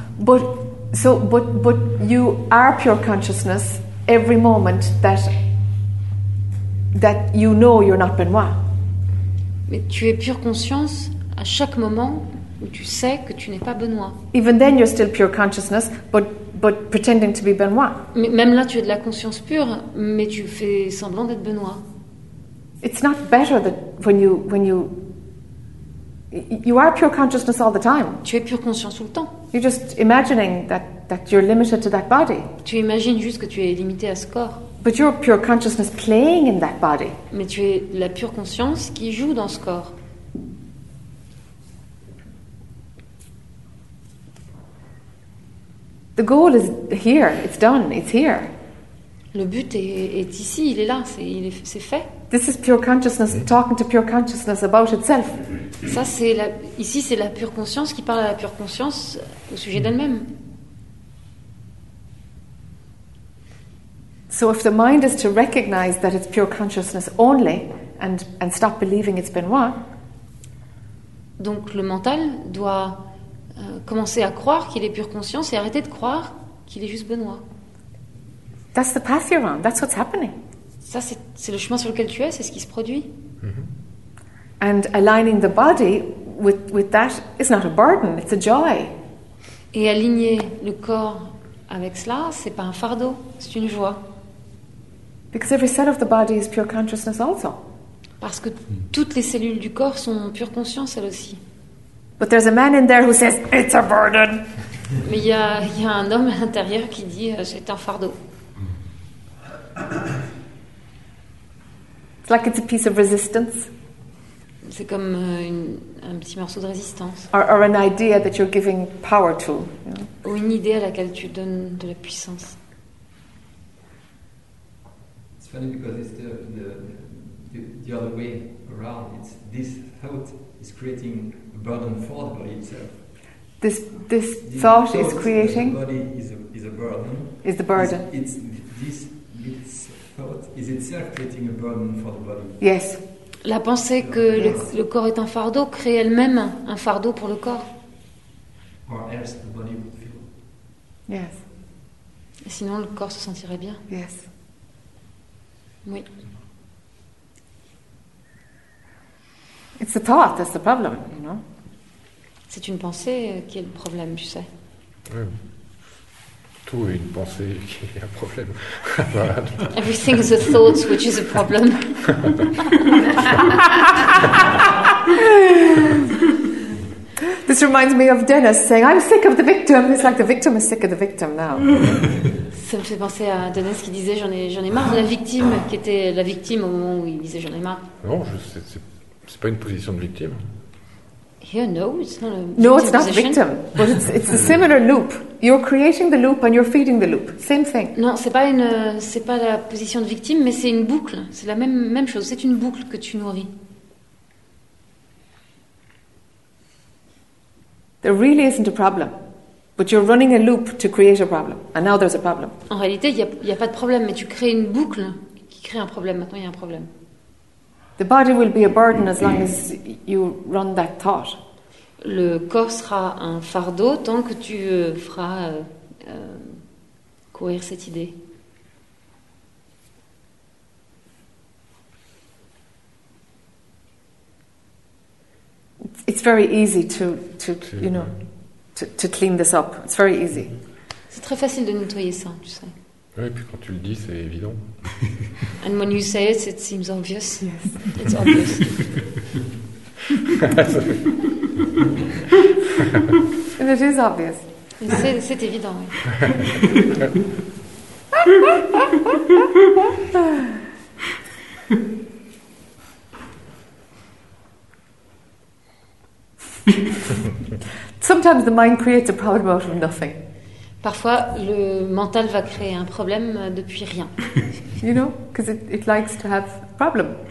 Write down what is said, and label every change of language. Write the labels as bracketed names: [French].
[English] But you are pure consciousness every moment that you know you're not Benoît. [French] Mais tu es pure conscience à chaque moment où tu sais que tu n'es pas Benoît. [English] Even then you're still pure consciousness, but pretending to be Benoît. [French] Mais même là tu es de la conscience pure, mais tu fais semblant d'être Benoît. [English] It's not better that when you you are pure consciousness all the time. [French] Tu es pure conscience tout le temps. [English] You're just imagining that you're limited to that body. [French] Tu imagines juste que tu es limité à ce corps. [English] But you're pure consciousness playing in that body. [French] Mais tu es la pure conscience qui joue dans ce corps. [English] The goal is here. It's done. It's here. [French] Le but est ici. Il est là. C'est fait. [English] This is pure consciousness talking to pure consciousness about itself. [French] Ça, c'est la... Ici, c'est la pure conscience qui parle à la pure conscience au sujet d'elle-même. [English] So if the mind is to recognize that it's pure consciousness only and stop believing it's Benoît. [French] Donc le mental doit commencer à croire qu'il est pure conscience et arrêter de croire qu'il est juste Benoît. [English] That's the path you're on. That's what's happening. [French] Ça, c'est le chemin sur lequel tu es, c'est ce qui se produit. Mm-hmm. [English] And aligning the body with that is not a burden, it's a joy. [French] Et aligner le corps avec cela, c'est pas un fardeau, c'est une joie. [English] Because every cell of the body is pure consciousness also. [French] Parce que toutes les cellules du corps sont pure conscience, elles aussi. [English] But there's a man in there who says, it's a burden. [French] Mais il y a un homme à l'intérieur qui dit, c'est un fardeau. [English] Like it's a piece of resistance. [French] C'est comme un petit morceau de résistance. [English] Or an idea that you're giving power to. [French] Ou une idée à laquelle tu donnes de la puissance. [English] It's funny because it's the other way around. It's this thought is creating a burden for the body itself. This thought is creating. The body is a burden. Is the burden? It's this. Is itself creating a burden for the body? Yes. [French] La pensée que le corps est un fardeau crée elle-même un fardeau pour le corps. [English] or else the body would feel. Yes. [French] Et sinon, le corps se sentirait bien. [English] Yes. [French] Oui. [English] It's the thought that's the problem, you know. [French] C'est une pensée qui est le problème, tu sais. Oui. Tout est une pensée qui est un problème. [English] Everything is a thought which is a problem. This reminds me of Dennis saying, I'm sick of the victim. It's like the victim is sick of the victim now. [French] Ça me fait penser à Dennis qui disait, j'en ai marre de la victime, qui était la victime au moment où il disait, j'en ai marre. Non, c'est pas une position de victime. [English] Here, no, it's not a victim. No, it's not a victim. But it's a similar loop. You're creating the loop and you're feeding the loop. Same thing. [French] Non, c'est pas la position de victime, mais c'est une boucle. C'est la même chose. C'est une boucle que tu nourris. [English] There really isn't a problem, but you're running a loop to create a problem, and now there's a problem. [French] En réalité, il y a pas de problème, mais tu crées une boucle qui crée un problème. Maintenant, il y a un problème. [English] The body will be a burden as long as you run that thought. [French] Le corps sera un fardeau tant que tu feras courir cette idée. [English] It's very easy to clean this up. It's very easy. [French] C'est très facile de nettoyer ça, tu sais. Oui, et puis quand tu le dis, c'est évident. [English] And when you say it, it seems obvious. Yes, it's obvious. And it is obvious. [French] C'est évident, oui. [English] Sometimes the mind creates a problem out of nothing. [French] Parfois, le mental va créer un problème depuis rien. [English] You know, because it likes to have problems.